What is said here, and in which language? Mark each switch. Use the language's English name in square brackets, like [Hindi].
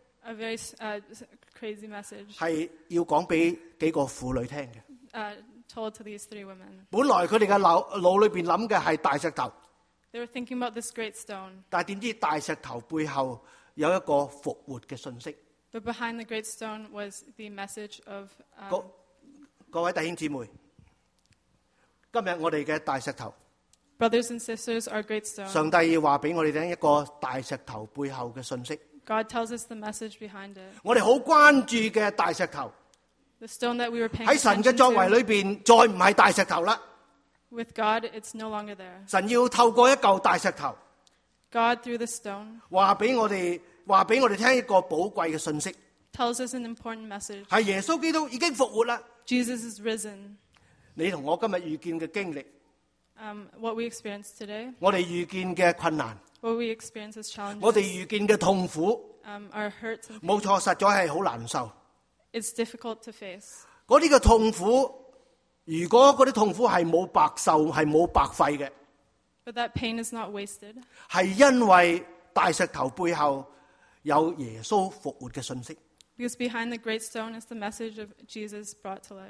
[English] A very, crazy message. [Chinese] 是要讲给几个妇女听的 [English] Told to these three women. [Chinese] 本来他们的脑里面想的是大石头。 [English] They were thinking about this great stone. [Chinese] 但怎知大石头背后有一个复活的信息。 [English] But behind the great stone was the message of. [Chinese] 各位弟兄姊妹，今天我们的大石头。 [English] Brothers and sisters, our great stone. [Chinese] 上帝要告诉我们一个大石头背后的信息。 [English] God tells us the message behind it. [Chinese] 我们很关注的大石头。 [English] The stone that we were paying [Chinese] 在神的作为里面再不是大石头了 [English] With God, it's no longer there. [Chinese] 神要透过一块大石头 [English] God through the stone [Chinese] 告诉我们听一个宝贵的信息 [English] Tells us an important message [Chinese] 是耶稣基督已经复活了 [English] Jesus is risen [Chinese] 你和我今天遇见的经历 [English] What we experience today [Chinese] 我们遇见的困难 [English] What we experience as challenges [Chinese] 我们遇见的痛苦 [English] Our hurts [Chinese] 没错实在是很难受 [English] It's difficult to face. [Chinese] 那些痛苦，如果那些痛苦是没有白受，是没有白费的。 [English] But that pain is not wasted. [Chinese] 是因为大石头背后有耶稣复活的信息。 [English] Because behind the great stone is the message of Jesus brought to life.